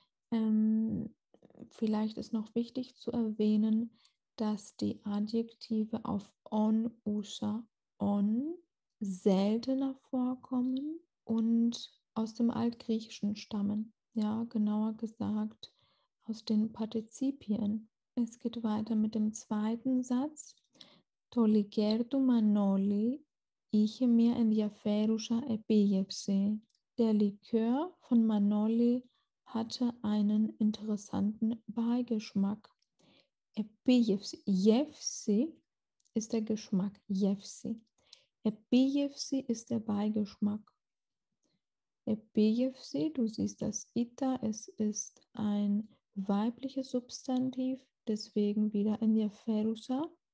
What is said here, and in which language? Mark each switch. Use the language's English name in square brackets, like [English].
[German] Vielleicht ist noch wichtig zu erwähnen, dass die Adjektive auf onusa, on, seltener vorkommen und aus dem Altgriechischen stammen. Ja, genauer gesagt aus den Partizipien. Es geht weiter mit dem zweiten Satz. [Greek] Το λικέρ του Μανώλη είχε μια ενδιαφέρουσα επίγευση. [German] Der Likör von Manoli hatte einen interessanten Beigeschmack. Epigευση. Γεύση ist der Geschmack. Γεύση. Epigευση ist der Beigeschmack. Epigευση, du siehst das Ita, es ist ein weibliches Substantiv, deswegen wieder ενδιαφέρουσα.